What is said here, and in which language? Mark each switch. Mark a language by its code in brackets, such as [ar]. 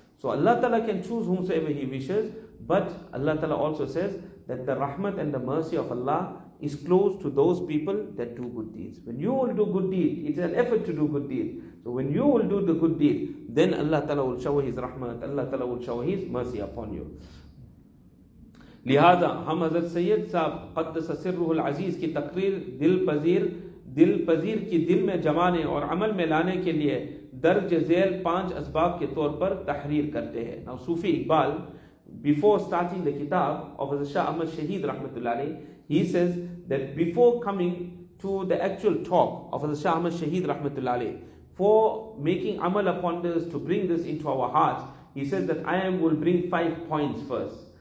[en] So Allah Ta'ala can choose whomsoever he wishes. But Allah Ta'ala also says that the rahmat and the mercy of Allah is close to those people that do good deeds. When you will do good deed, it's an effort to do good deed. So when you will do the good deed, then Allah Ta'ala will shower his rahmat, Allah Ta'ala will shower his mercy upon you. [ur] لہذا ہم حضرت سید صاحب قدس سرہ العزیز کی تقریر دل پذیر کی دل میں جمانے اور عمل میں لانے کے لیے درج ذیل پانچ اسباب کے طور پر تحریر کرتے ہیں. [en] Now Sufi Iqbal, before starting the kitab of Hazrat Shah Ahmad Shaheed rahmatullah alayh, he says that before coming to the actual talk of Hazrat Shah Ahmad Shaheed rahmatullah alayh, for making amal upon this, to bring this into our hearts, he says that I will bring 5 points first.